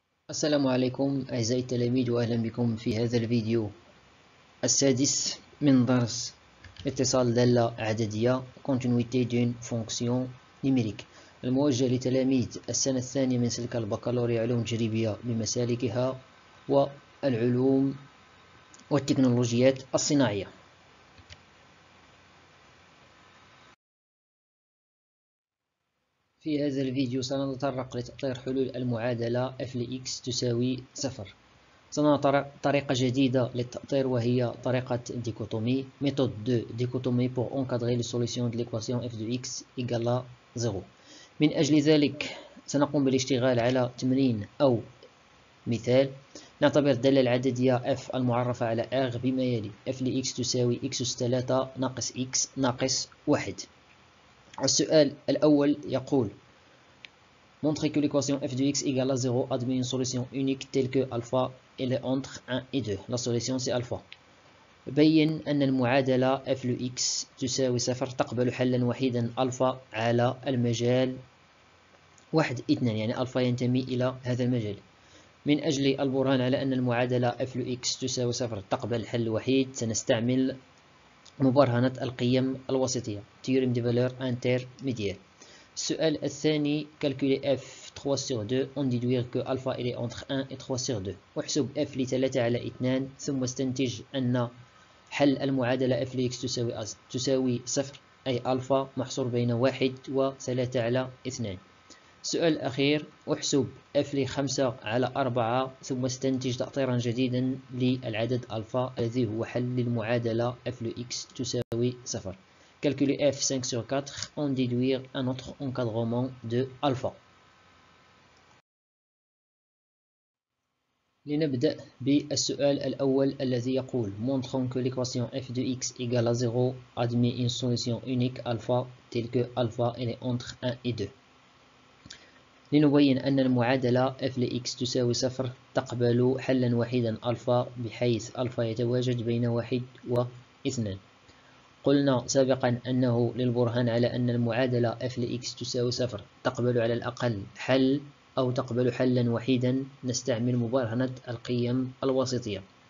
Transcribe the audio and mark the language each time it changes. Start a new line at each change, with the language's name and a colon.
Arabic: السلام عليكم أعزائي التلاميذ، وأهلا بكم في هذا الفيديو السادس من درس اتصال دالة عددية
French: Continuity d'une fonction numérique
Arabic: الموجه لتلاميذ السنة الثانية من سلك البكالوريا علوم تجريبية بمسالكها والعلوم والتكنولوجيات الصناعية. في هذا الفيديو سنتطرق لتأطير حلول المعادلة f لx تساوي 0. سنرى طريقة جديدة للتأطير وهي طريقة ديكوتومي ميثود دو ديكوتومي
French: pour encadrer la solution de l'équation f de x égale à 0.
Arabic: من أجل ذلك سنقوم بالاشتغال على تمرين أو مثال. نعتبر الدالة العددية f المعرفة على r بما يلي: f لx تساوي x أس 3 ناقص x ناقص 1. السؤال الأول يقول:
French: montre que l'équation f de x égale à 0 admet une solution unique telle que alpha elle est entre 1 et 2. La solution c'est alpha.
Arabic: بين أن المعادلة f de x تساوي 0 تقبل حلا وحيدا alpha على المجال 1 2، يعني alpha ينتمي إلى هذا المجال. من أجل البرهان على أن المعادلة f de x تساوي 0 تقبل حل وحيد سنستعمل مبرهنة القيم الوسطية
French: Theorem de valeur intermédiaire.
Arabic: السؤال الثاني:
French: calculer f 3 sur 2 en déduire que alpha il est entre 1 et 3 sur 2.
Arabic: احسب f لثلاثة على 2 ثم استنتج أن حل المعادلة f لx تساوي 0 أي alpha محصور بين 1 و 3 على 2. السؤال الأخير: احسب f لخمسة على 4 ثم استنتج تأطيرا جديدا للعدد alpha الذي هو حل للمعادلة f لx تساوي 0.
French: Calculer f 5 sur 4 en déduire un autre encadrement de alpha.
Arabic: لنبدأ بالسؤال الأول الذي يقول:
French: montrant que l'équation f de x égale à 0 admet une solution unique alpha telle que alpha elle est entre 1 et 2.
Arabic: لنبين أن المعادلة f de x تساوي 0 تقبل حلا واحدا alpha بحيث alpha يتواجد بين 1 و 2. قلنا سابقا أنه للبرهان على أن المعادلة f لx تساوي 0 تقبل على الأقل حل أو تقبل حلا وحيدا نستعمل مبرهنة القيم الوسطية.